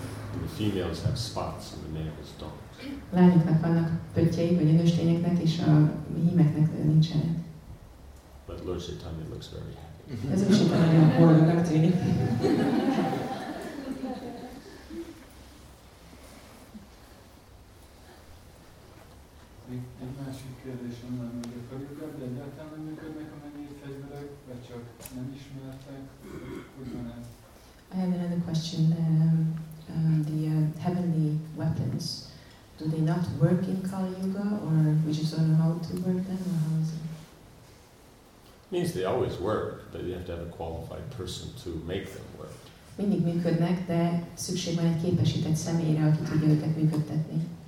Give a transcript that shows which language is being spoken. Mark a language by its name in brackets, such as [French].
[English] The females have spots and the males don't. [Hungarian] Lányoknak vannak pöttyeik, vagy a nőstényeknek, és a hímeknek nincsenek. [English] But Lord Chaitanya looks very happy. [Hungarian] Ez is itt nagyon boldognak tűnik. Egy másik kérdés onnan, hogy a fegyverek egyáltalán nem működnek a mennyi fegyverek, vagy csak nem ismertek, hogy van ez? [English] I have another question. The heavenly weapons, do they not work in Kali Yuga, or we just don't know how to work them, or how is it? means they always work, but you have to have a qualified person to make them work. [Hungarian] Mindig működnek, de szükség van egy képesített személyre, aki tudja őket működtetni.